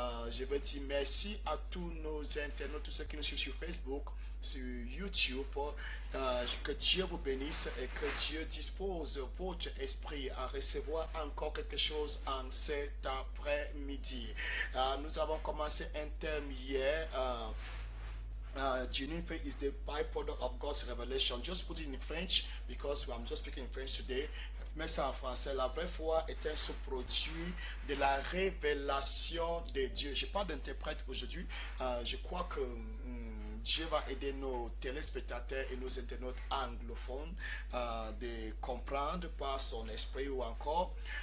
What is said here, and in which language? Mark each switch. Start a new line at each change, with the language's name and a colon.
French: Je veux dire merci à tous nos internautes, tous ceux qui nous suivent sur Facebook, sur YouTube. Que Dieu vous bénisse et que Dieu dispose votre esprit à recevoir encore quelque chose en cet après-midi. Nous avons commencé un thème hier.
English: Genuine faith is the byproduct of God's revelation. Just put it in French because I'm just speaking in French today.
French: Mais ça en français, la vraie foi est un sous-produit de la révélation de Dieu. Je n'ai pas d'interprète aujourd'hui. Je crois que Dieu va aider nos téléspectateurs et nos internautes anglophones de comprendre par son esprit ou encore.